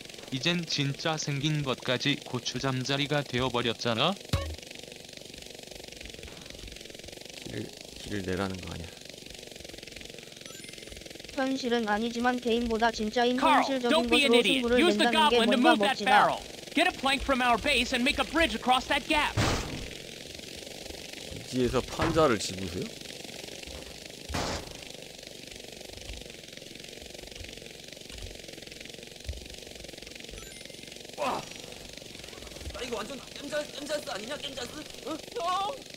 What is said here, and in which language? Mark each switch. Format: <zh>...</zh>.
<ko>이젠 진짜 생긴 것까지 고추 잠자리가 되어버렸잖아. 길을 내라는 거 아니야. 현실은 아니지만 개인보다 진짜인 현실적인 것으로 승부를 낸다는 게 뭔가 멋지다.</ko> <en>Get a plank from our base and make a bridge across that gap.</en> <ko>뒤에서 판자를 집으세요? 와, 나 이거 완전 깜자스 아니냐 깜자스? 어?</ko>